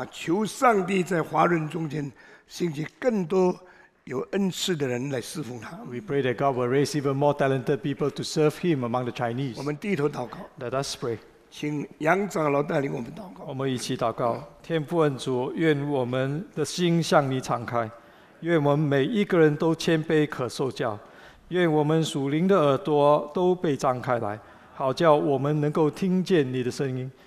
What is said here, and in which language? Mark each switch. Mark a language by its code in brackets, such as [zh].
[zh] 求上帝在华人中间兴起更多有恩赐的人来侍奉他。 [en] We pray that God will raise even more talented people to serve Him among the Chinese. [zh] 我们低头祷告。 [en] Let us pray. [zh] 请杨长老带领我们祷告。我们一起祷告。天父恩主，愿我们的心向你敞开，愿我们每一个人都谦卑可受教，愿我们属灵的耳朵都被张开来，好叫我们能够听见你的声音。